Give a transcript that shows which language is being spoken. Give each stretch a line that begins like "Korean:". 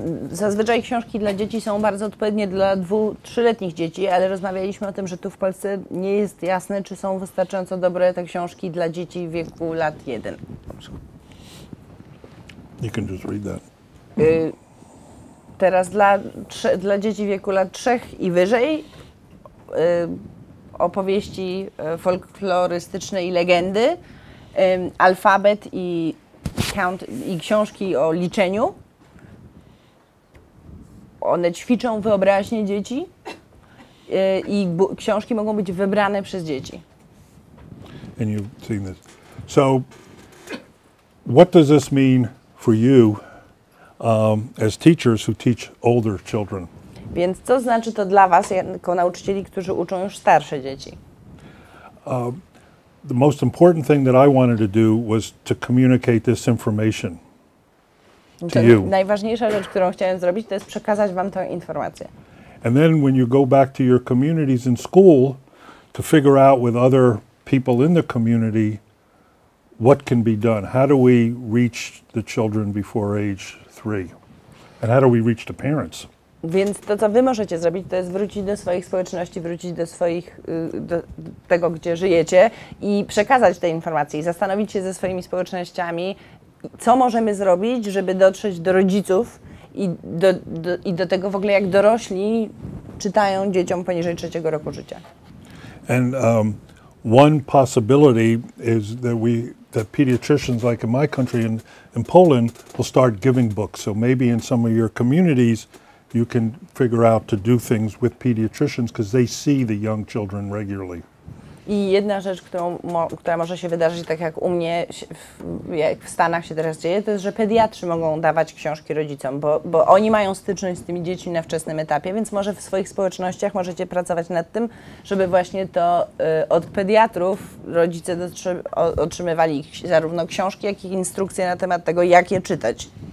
Polish: Zazwyczaj książki dla dzieci są bardzo odpowiednie dla 2-3-letnich dzieci, ale rozmawialiśmy o tym, że tu w Polsce nie jest jasne, czy są wystarczająco dobre te książki dla dzieci w wieku lat 1.
English: You can just read that.
Polish: Teraz dla dzieci w wieku lat 3 i wyżej opowieści folklorystyczne i legendy, alfabet i count, i książki o liczeniu. One ćwiczą wyobraźnię dzieci i książki mogą być wybrane przez dzieci.
English: And you've seen this. So, what does this mean for you as teachers who teach older children?
Polish: Więc co znaczy to dla was jako nauczycieli, którzy uczą już starsze dzieci?
English: The most important thing that I wanted to do was to communicate this information.
Polish: Najważniejsza rzecz, którą chciałem zrobić, to jest przekazać wam tę informację.
English: And then when you go back to your communities in school to figure out with other people in the community what can be done. How do we reach the children before age 3? And how do we reach the parents?
Polish: Więc to, co wy możecie zrobić, to jest wrócić do swoich społeczności, wrócić do swoich, do tego, gdzie żyjecie i przekazać te informacje i zastanowić się ze swoimi społecznościami, co możemy zrobić, żeby dotrzeć do rodziców i do tego w ogóle, jak dorośli czytają dzieciom poniżej 3 roku życia.
English: And one possibility is that we, that pediatricians like in my country and in Poland will start giving books. So maybe in some of your communities you can figure out to do things with pediatricians because they see the young children regularly.
Polish: I jedna rzecz, która może się wydarzyć, tak jak u mnie, jak w Stanach się teraz dzieje, to jest, że pediatrzy mogą dawać książki rodzicom, bo oni mają styczność z tymi dziećmi na wczesnym etapie, więc może w swoich społecznościach możecie pracować nad tym, żeby właśnie to od pediatrów rodzice otrzymywali zarówno książki, jak i instrukcje na temat tego, jak je czytać.